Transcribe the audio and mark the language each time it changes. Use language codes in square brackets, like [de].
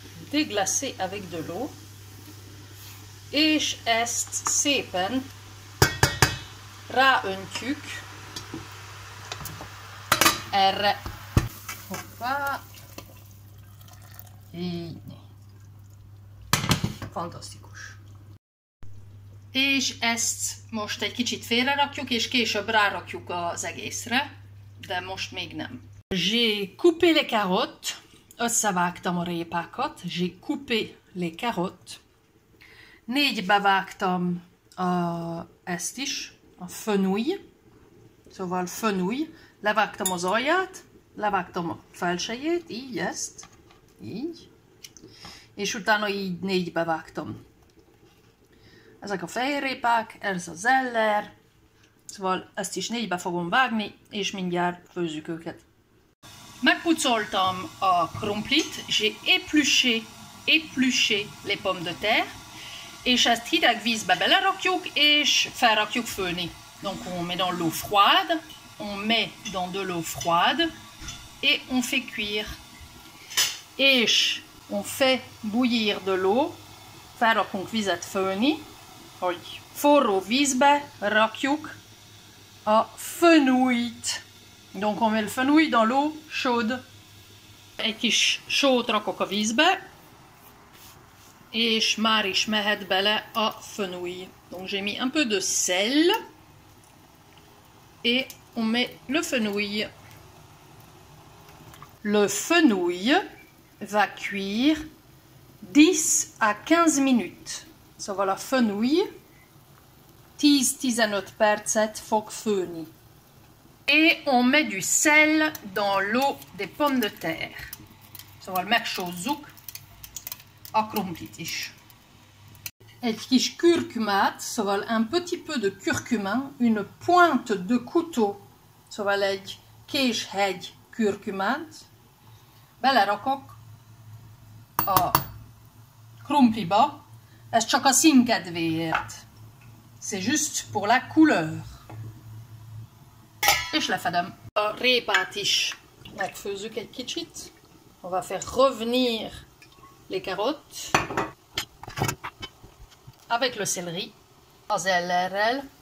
[fr] Déglacer avec de l'eau. [hu] És ezt szépen ráöntjük erre. Hoppá. Így. Fantasztikus. És ezt most egy kicsit félre rakjuk, és később rárakjuk az egészre, de most még nem. [fr] J'ai coupé les carottes, [hu] összevágtam a répákat, [fr] j'ai coupé les carottes. [hu] Négybe vágtam ezt is, a fenouil, szóval fenouil, levágtam az alját, levágtam a felsejét, így ezt, így, és utána így négybe vágtam. Ezek a fehérrépák, ez a zeller. Szóval ezt is négybe fogom vágni, és mindjárt főzzük őket. Megpucoltam a krumplit, [fr] j'ai épluché les pommes de terre, [hu] és ezt hideg vízbe belerakjuk, és felrakjuk főni. [fr] Donc on met dans l'eau froide, on met dans de l'eau froide, et on fait cuire. [hu] És [fr] on fait bouillir de l'eau, [hu] felrakunk vizet főni, hogy forró vízbe rakjuk a fenouillet. [fr] Donc on met le fenouil dans l'eau chaude. [hu] Egy kis sót rakok a vízbe, és már is mehet bele a fenouil. [fr] Donc j'ai mis un peu de sel, et on met le fenouil. Le fenouil va cuire 10 à 15 minutes. [hu] Szóval a fenouil 10-15 percet fog főni. [fr] Et on met du sel dans l'eau des pommes de terre. [hu] Szóval megsózzuk a krumplit is. Egy kis kurkumát, szóval [fr] un petit peu de curcuma, une pointe de couteau, [hu] szóval egy késhegy kurkumát, belerakok a krumpliba, ez csak a szín kedvéért. [fr] C'est juste pour la couleur. [hu] És lefedem. A répát is megfőzzük egy kicsit. [fr] On va faire revenir les carottes avec le céleri, [hu] a zellerrel.